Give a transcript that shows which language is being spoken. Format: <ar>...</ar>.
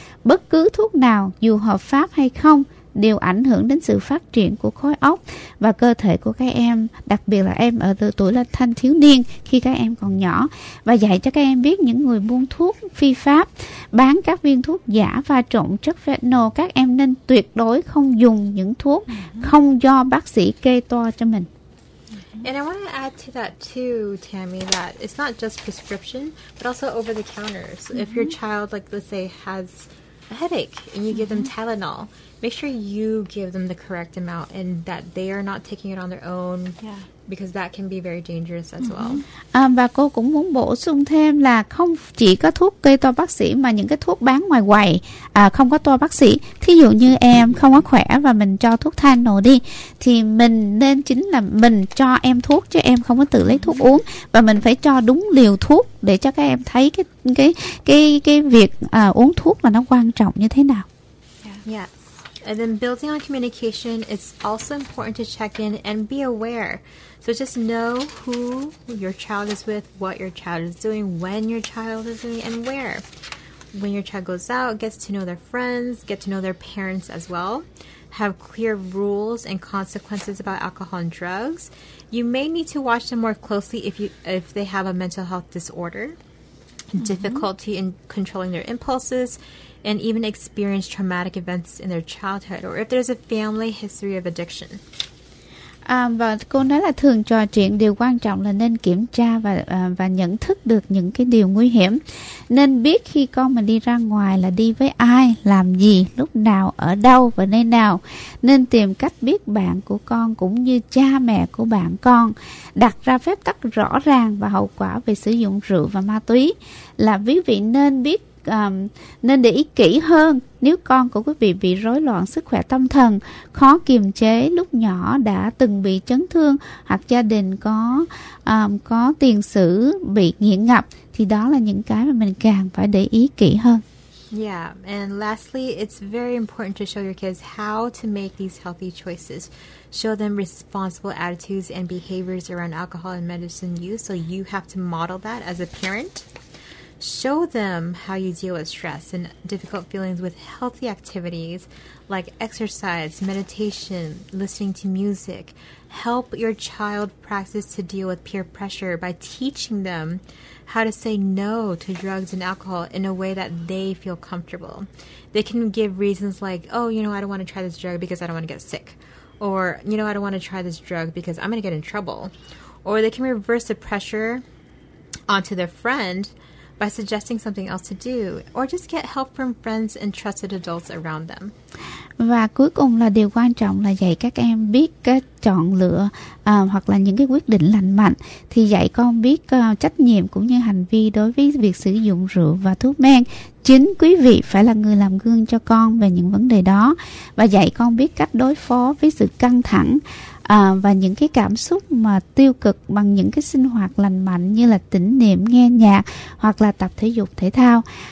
<vi>Bất cứ thuốc nào dù hợp pháp hay không đều ảnh hưởng đến sự phát triển của khối óc và cơ thể của các em, đặc biệt là em ở tuổi là thanh thiếu niên khi các em còn nhỏ. Và dạy cho các em biết những người buôn thuốc phi pháp, bán các viên thuốc giả và trộn chất fentanyl, các em nên tuyệt đối không dùng những thuốc không do bác sĩ kê toa cho mình.</vi> <en>And I want to add to that too, Tammy, that it's not just prescription, but also over the counter. So if your child, like let's say, has a headache and you give them Tylenol, make sure you give them the correct amount and that they are not taking it on their own. Yeah. Because that can be very dangerous as well.</en> <vi>Và cô cũng muốn bổ sung thêm là không chỉ có thuốc kê toa bác sĩ mà những cái thuốc bán ngoài quầy không có toa bác sĩ. Thí dụ như em không có khỏe và mình cho thuốc Tylenol đi, thì mình nên chính là mình cho em thuốc chứ em không có tự lấy thuốc uống, và mình phải cho đúng liều thuốc để cho các em thấy cái việc uống thuốc là nó quan trọng như thế nào.</vi> <en>Yeah. And then building on communication, it's also important to check in and be aware. So just know who your child is with, what your child is doing, when your child is doing, and where. When your child goes out, gets to know their friends, get to know their parents as well. Have clear rules and consequences about alcohol and drugs. You may need to watch them more closely if they have a mental health disorder, difficulty in controlling their impulses, and even experience traumatic events in their childhood, or if there's a family history of addiction.</en> <vi>Và cô nói là thường trò chuyện, điều quan trọng là nên kiểm tra và nhận thức được những cái điều nguy hiểm. Nên biết khi con mình đi ra ngoài là đi với ai, làm gì, lúc nào, ở đâu và nơi nào. Nên tìm cách biết bạn của con cũng như cha mẹ của bạn con. Đặt ra phép tắc rõ ràng và hậu quả về sử dụng rượu và ma túy. Là quý vị nên biết, nên để ý kỹ hơn nếu con của quý vị bị rối loạn sức khỏe tâm thần, khó kiềm chế, lúc nhỏ đã từng bị chấn thương, hoặc gia đình có tiền sử bị nghiện ngập, thì đó là những cái mà mình càng phải để ý kỹ hơn.</vi> <en>Yeah, and lastly, it's very important to show your kids how to make these healthy choices. Show them responsible attitudes and behaviors around alcohol and medicine use, so you have to model that as a parent. Show them how you deal with stress and difficult feelings with healthy activities like exercise, meditation, listening to music. Help your child practice to deal with peer pressure by teaching them how to say no to drugs and alcohol in a way that they feel comfortable. They can give reasons like, oh, you know, I don't want to try this drug because I don't want to get sick. Or, you know, I don't want to try this drug because I'm going to get in trouble. Or they can reverse the pressure onto their friend by suggesting something else to do, or just get help from friends and trusted adults around them.</en> <vi>Và cuối cùng là điều quan trọng là dạy các em biết cái chọn lựa hoặc là những cái quyết định lành mạnh, thì dạy con biết trách nhiệm cũng như hành vi đối với việc sử dụng rượu và thuốc men. Chính quý vị phải là người làm gương cho con về những vấn đề đó, và dạy con biết cách đối phó với sự căng thẳng và những cái cảm xúc mà tiêu cực bằng những cái sinh hoạt lành mạnh như là tĩnh niệm, nghe nhạc hoặc là tập thể dục thể thao.</vi>